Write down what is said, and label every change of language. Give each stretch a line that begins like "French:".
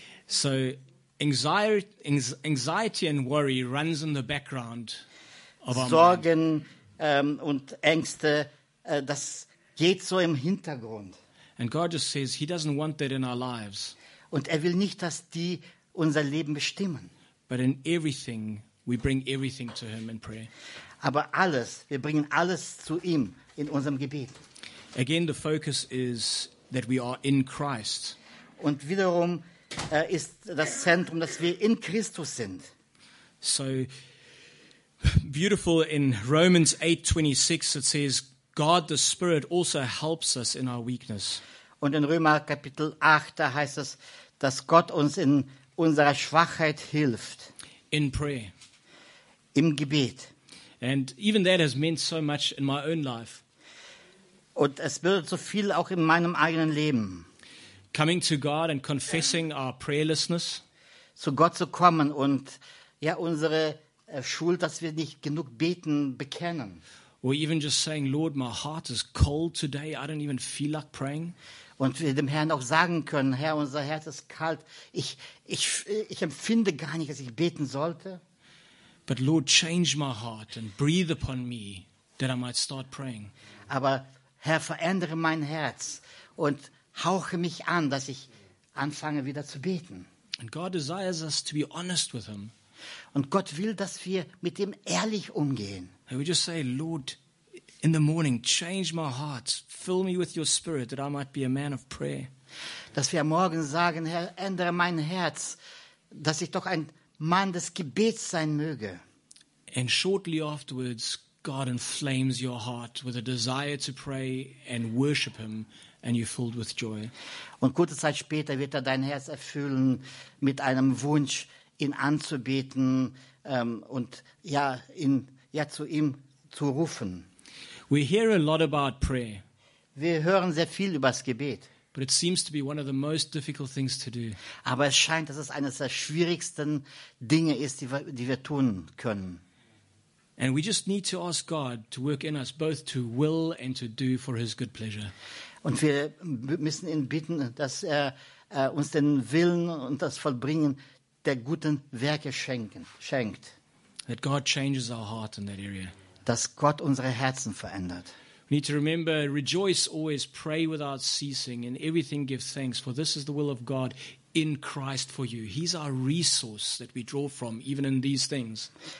English: So anxiety and worry runs in the background of
German: Sorgen und Ängste, das geht so im Hintergrund.
English: And God just says he doesn't want that in our lives.
German: Und er will nicht, dass die unser Leben bestimmen.
English: But in everything we bring everything to him in prayer.
German: Aber alles, wir bringen alles zu ihm in unserem Gebet.
English: Again, the focus is that we are in Christ.
German: Und wiederum ist das Zentrum, dass wir in Christus sind.
English: So beautiful in Romans 8:26 it says God the Spirit also helps us in our weakness.
German: Und in Römer Kapitel 8 da heißt es, dass Gott uns in unserer Schwachheit hilft.
English: In prayer.
German: Im Gebet.
English: And even that has meant so much in my own life.
German: Und es bedeutet so viel auch in meinem eigenen Leben.
English: Coming to God and confessing our prayerlessness.
German: Zu Gott zu kommen und ja unsere Schuld, dass wir nicht genug beten, bekennen.
English: Or even just saying, Lord, my heart is cold today. I don't even feel like praying.
German: Und wir dem Herrn auch sagen können, Herr, unser Herz ist kalt. Ich empfinde gar nicht, dass ich beten sollte.
English: But Lord, change my heart and breathe upon me, that I might start praying.
German: Aber Herr, verändere mein Herz und hauche mich an, dass ich anfange wieder zu beten.
English: And God desires us to be honest with him.
German: Und Gott will, dass wir mit ihm ehrlich umgehen.
English: And we just say, Lord, in the morning, change my heart, fill me with your spirit, that I might be a man of prayer.
German: Dass wir am Morgen sagen, Herr, ändere mein Herz, dass ich doch ein Mann des Gebets sein möge.
English: And shortly afterwards, God inflames your heart with a desire to pray and worship him, and you're filled with joy.
German: Und kurze Zeit später wird er dein Herz erfüllen mit einem Wunsch, ihn anzubeten und ja, ihn ja zu ihm zu rufen.
English: We hear a lot about prayer.
German: Wir hören sehr viel über das Gebet.
English: But it seems to be one of the most difficult things to do.
German: Aber es scheint, dass es eines der schwierigsten Dinge ist, die wir tun können.
English: And we just need to ask God to work in us both to will and to do for his good pleasure.
German: Und wir müssen ihn bitten, dass er uns den Willen und das Vollbringen der guten Werke schenkt.
English: That God changes our heart in that area.
German: Dass Gott unsere Herzen verändert.
English: We need to remember, rejoice always, pray without ceasing, and everything give thanks, for this is the will of God in Christ for you. He's our resource that we draw from, even in these things.